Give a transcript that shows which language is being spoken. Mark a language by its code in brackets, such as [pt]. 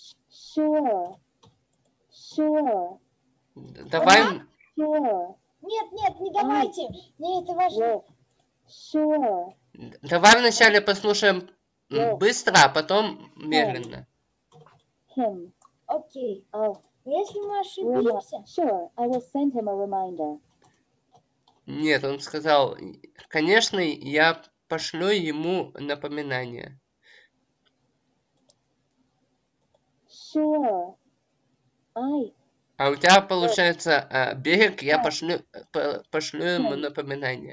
[en] Sure. [ru] Давай... [en] Sure. [ru] Нет, не давайте. Нет, это важно. [en] Sure. [ru] Давай вначале послушаем быстро, а потом медленно. [en] Him. [ru] Окей. Если мы ошибимся... [en] Sure, I will send him a reminder. [ru] Нет, он сказал, конечно, я пошлю ему напоминание. [en] Sure. I... [ru] А у тебя получается берег, я пошлю ему напоминание.